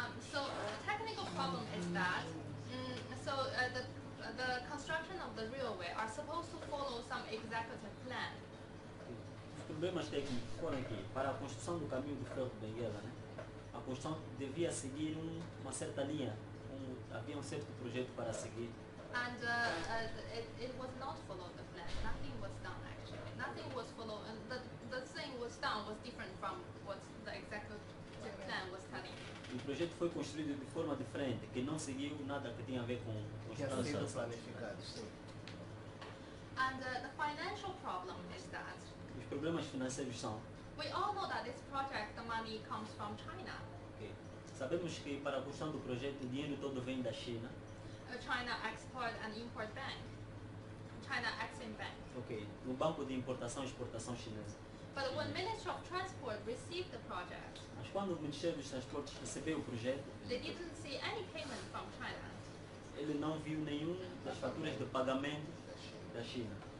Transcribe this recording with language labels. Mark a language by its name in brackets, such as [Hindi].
[English] So the technical problem is that the construction of the railway are supposed to follow some executive plan. [Portuguese] Os problemas técnicos foram aqui para a construção do caminho do ferro de Benguela, né? A construção devia seguir uma certa linha, havia um certo projeto para seguir. [English] And it was not followed the plan. Nothing was done actually. Nothing was followed. The thing was done was different from what the executive plan was telling. [Portuguese] O projeto foi construído de forma diferente, que não seguiu nada que tinha a ver com os planos planificados. [English] And the financial problem is that. [Portuguese] Os problemas financeiros são. [English] We all know that this project, the money comes from China. Okay. [Portuguese] Sabemos que para a construção do projeto, o dinheiro todo vem da China. [English] China Export and Import Bank. China Exim Bank. [Portuguese] Okay. No banco de importação e exportação chinesa. [English] But when Ministry of Transport received the project. [Portuguese] Mas quando o Ministério dos Transportes recebeu o projeto. [English] They didn't see any payment from China. [Portuguese] Ele não viu nenhuma das faturas de pagamento da China.